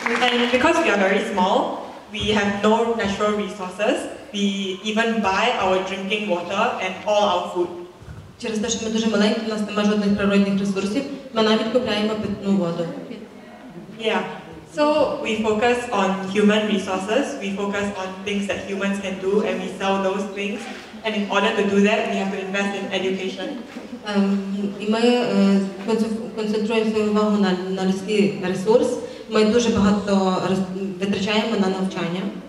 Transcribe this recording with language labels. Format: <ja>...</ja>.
<en>And because we are very small, we have no natural resources. We we even buy our drinking water and all our food.</en> <uk>Через те, що ми дуже маленькі, у нас немає жодних природних ресурсів, ми навіть купляємо питну воду.</uk> <en>Yeah. So we focus on human resources, we focus on things that humans can do and we sell those things. And in order to do that, we have to invest in education.</en> <uk>Ми концентруємо свою увагу на людський ресурс. Ми дуже багато витрачаємо на навчання.</uk>